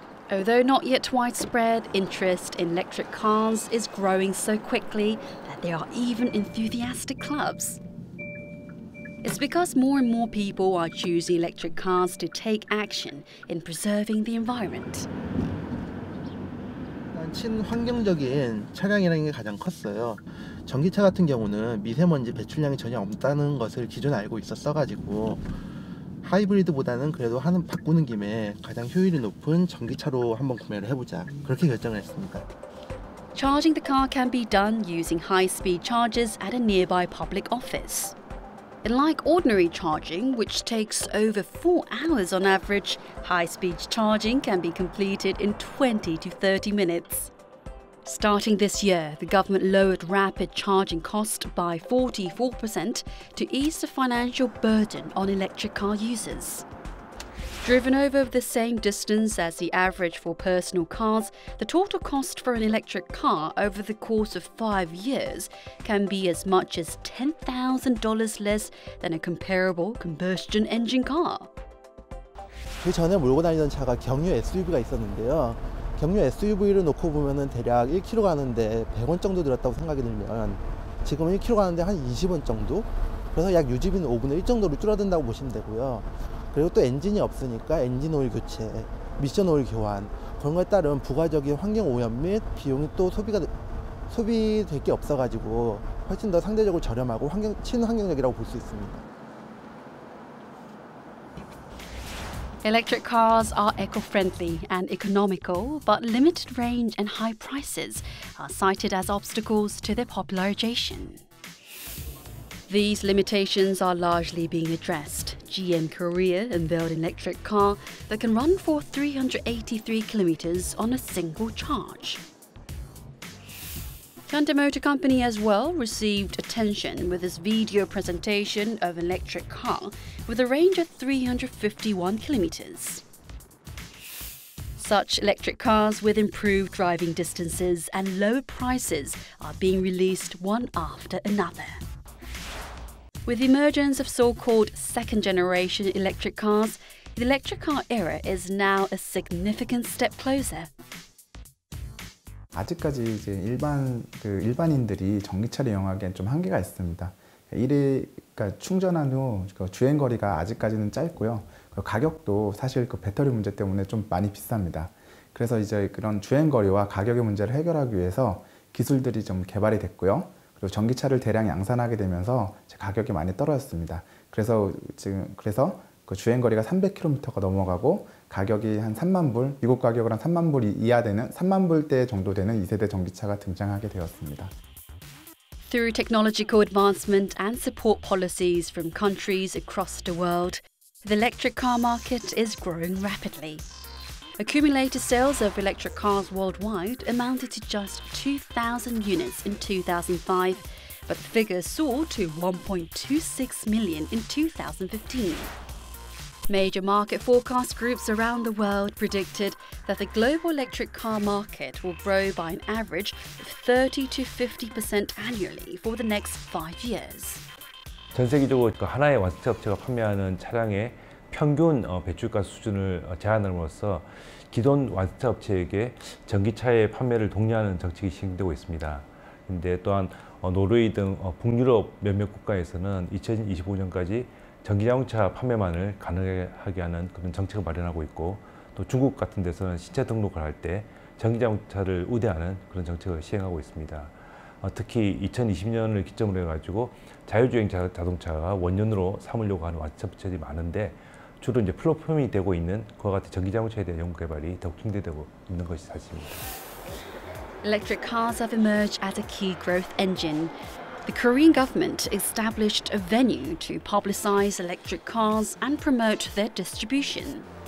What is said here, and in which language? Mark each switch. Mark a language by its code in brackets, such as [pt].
[en] Although not yet widespread, interest in electric cars is growing so quickly that there are even enthusiastic clubs. It's because more and more people are choosing electric cars to take action in preserving the environment. [ko] 일단 친환경적인 차량이라는 게 가장 컸어요. 전기차 같은 경우는 미세먼지 배출량이 전혀 없다는 것을 기존에 알고 있었어가지고 하이브리드보다는 그래도 바꾸는 김에 가장 효율이 높은 전기차로 한번 구매를 해보자 그렇게 결정을 했습니다. [en] Charging the car can be done using high-speed chargers at a nearby public office. Unlike ordinary charging, which takes over 4 hours on average, high-speed charging can be completed in 20 to 30 minutes. Starting this year, the government lowered rapid charging cost by 44% to ease the financial burden on electric car users. Driven over the same distance as the average for personal cars, the total cost for an electric car over the course of 5 years can be as much as $10,000 less than a comparable combustion engine car. [ko] 그 전에 몰고 다니던 차가 경유 SUV가 있었는데요. 경유 SUV를 놓고 보면은 대략 1km 가는데 100원 정도 들었다고 생각이 들면 지금 1km 가는데 한 20원 정도? 그래서 약 유지비는 5분의 1 정도로 줄어든다고 보시면 되고요. 그리고 또 엔진이 없으니까 엔진 오일 교체, 미션 오일 교환 그런 것에 따른 부가적인 환경 오염 및 비용이 또 소비될 게 없어가지고 훨씬 더 상대적으로 저렴하고 친환경적이라고 볼 수 있습니다. [en] Electric cars are eco-friendly and economical, but limited range and high prices are cited as obstacles to their popularization. These limitations are largely being addressed. GM Korea unveiled an electric car that can run for 383 kilometers on a single charge. Hyundai Motor Company as well received attention with its video presentation of an electric car with a range of 351 kilometers. Such electric cars with improved driving distances and low prices are being released one after another. With the emergence of so-called second generation electric cars, the electric car era is now a significant step closer. [ko] 아직까지 이제 일반인들이 전기차를 이용하기엔 좀 한계가 있습니다. 그러니까 충전한 후 주행 거리가 아직까지는 짧고요. 그리고 가격도 사실 그 배터리 문제 때문에 좀 많이 비쌉니다. 그래서 이제 그런 주행 거리와 가격의 문제를 해결하기 위해서 기술들이 좀 개발이 됐고요. 그리고 전기차를 대량 양산하게 되면서 가격이 많이 떨어졌습니다. 그래서 그 주행 거리가 300km가 넘어가고 가격이 한 3만 불, 미국 가격으로 한 3만 불 이하 되는 3만 불대 정도 되는 2세대 전기차가 등장하게 되었습니다. [en] Through technological advancement and support policies from countries across the world, the electric car market is growing rapidly. Accumulated sales of electric cars worldwide amounted to just 2,000 units in 2005, but the figure soared to 1.26 million in 2015. Major market forecast groups around the world predicted that the global electric car market will grow by an average of 30 to 50% annually for the next 5 years. [ko] 전 세계적으로 하나의 완성차 업체가 판매하는 차량의 평균 배출가 수준을 제한함으로써 기존 완성차 업체에게 전기차의 판매를 독려하는 정책이 시행되고 있습니다. 그런데 또한 노르웨이 등 북유럽 몇몇 국가에서는 2025년까지 전기자동차 판매만을 가능하게 하는 그런 정책을 마련하고 있고 또 중국 같은 데서는 신차 등록을 할 때 전기자동차를 우대하는 그런 정책을 시행하고 있습니다. 특히 2020년을 기점으로 해가지고 자율주행 자동차가 원년으로 삼으려고 하는 완성차 업체들이 많은데 주로 이제 플랫폼이 되고 있는 그와 같은 전기자동차에 대한 연구 개발이 더욱 증대되고 있는 것이 사실입니다. [en] Electric cars have emerged as a key growth engine. The Korean government established a venue to publicize electric cars and promote their distribution.